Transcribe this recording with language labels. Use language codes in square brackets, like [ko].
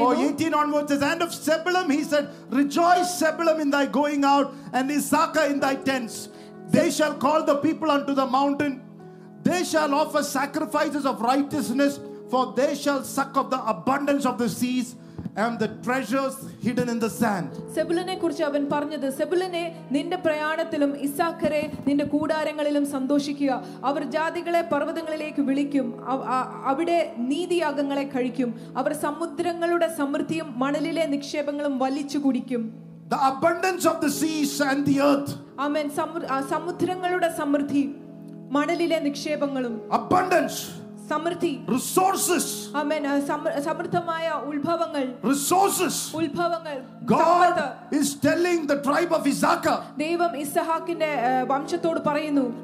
[en] or 18 onwards says, and of Zebulun he said, rejoice Zebulun in thy going out, and Issachar in thy tents. They shall call the people unto the mountain, they shall offer sacrifices of righteousness, for they shall suck of the abundance of the seas and the treasures hidden in the sand. [ml] സെബുലനെ കുറിച്ച് അവൻ പറഞ്ഞു, സെബുലനെ നിന്റെ പ്രയാണത്തിലും ഇസ്സാഖരെ നിന്റെ കൂടാരങ്ങളിലും സന്തോഷിക്കുക. അവർ ജാതികളെ പർവ്വതങ്ങളിലേക്ക് വിളിക്കും, അവിടെ നീതിയാഗങ്ങളെ കഴിക്കും, അവർ സമുദ്രങ്ങളുടെ സമൃദ്ധിയും മണലിലെ നിക്ഷേപങ്ങളും വലിച്ചു കുടിക്കും. [en] The abundance of the seas and the earth. [ml] ആമേൻ. സമുദ്രങ്ങളുടെ സമൃദ്ധി, മണലിലെ നിക്ഷേപങ്ങളും. [en] Abundance. [ml] സമൃദ്ധി. [en] Resources. [ml] അമേൻ. സമൃദ്ധമായ ഉത്ഭവങ്ങൾ. [en] Resources. [ml] ഉത്ഭവങ്ങൾ. [en] God is telling the tribe of Issachar. [ml] ദൈവം ഇസ്ഹാക്കിന്റെ വംശത്തോട് പറയുന്നു,